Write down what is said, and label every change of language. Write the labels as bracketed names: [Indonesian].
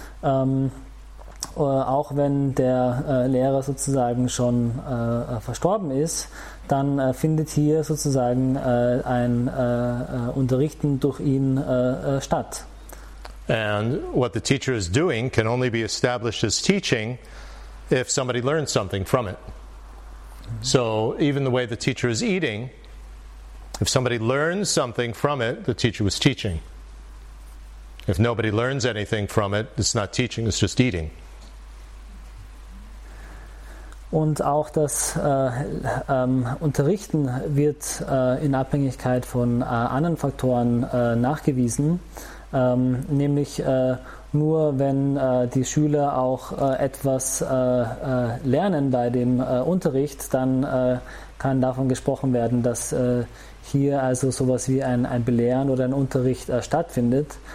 [German] Auch wenn der Lehrer sozusagen schon verstorben ist, dann findet hier sozusagen ein Unterrichten durch ihn statt. [English] And what the teacher is doing can only be established as teaching if somebody learns something from it. Mm-hmm. So even the way the teacher is eating, if somebody learns something from it, the teacher was teaching. If nobody learns anything from it, it's not teaching, it's just eating. [German] Und auch das Unterrichten wird in Abhängigkeit von anderen Faktoren nachgewiesen. Nämlich nur wenn die Schüler auch etwas lernen bei dem Unterricht, dann kann davon gesprochen werden, dass hier also sowas wie ein Belehren oder ein Unterricht stattfindet.